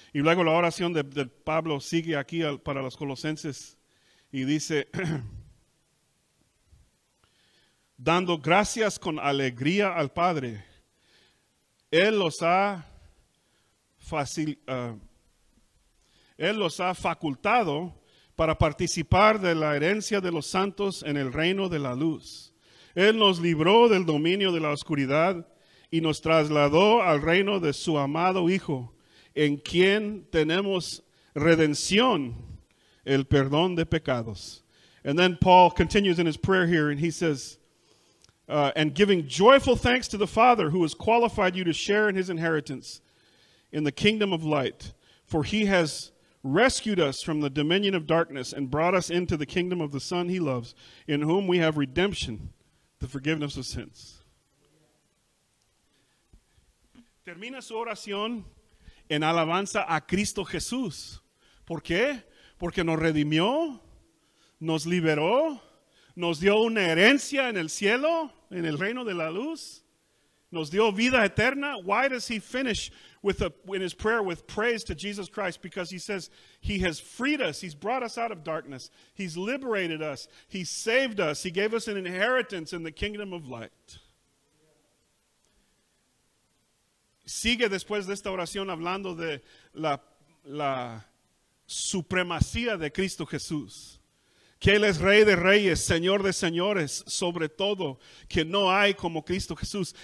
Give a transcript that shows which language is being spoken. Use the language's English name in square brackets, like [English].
[Spanish] Y luego la oración de Pablo sigue aquí para los colosenses y dice, dando gracias con alegría al Padre, Él los ha facultado para participar de la herencia de los santos en el reino de la luz. Él nos libró del dominio de la oscuridad y nos trasladó al reino de su amado Hijo, en quien tenemos redención, el perdón de pecados. [English] And then Paul continues in his prayer here, and he says, and giving joyful thanks to the Father who has qualified you to share in his inheritance in the kingdom of light, for he has rescued us from the dominion of darkness and brought us into the kingdom of the Son he loves, in whom we have redemption, the forgiveness of sins. [Spanish] Termina su oración en alabanza a Cristo Jesús. ¿Por qué? Porque nos redimió, nos liberó, nos dio una herencia en el cielo, en el reino de la luz, nos dio vida eterna. [English] Why does he finish in his prayer with praise to Jesus Christ? Because he says he has freed us. He's brought us out of darkness. He's liberated us. He saved us. He gave us an inheritance in the kingdom of light. [Spanish] Sigue después de esta oración hablando de la supremacía de Cristo Jesús. Que Él es Rey de Reyes, Señor de Señores, sobre todo, que no hay como Cristo Jesús.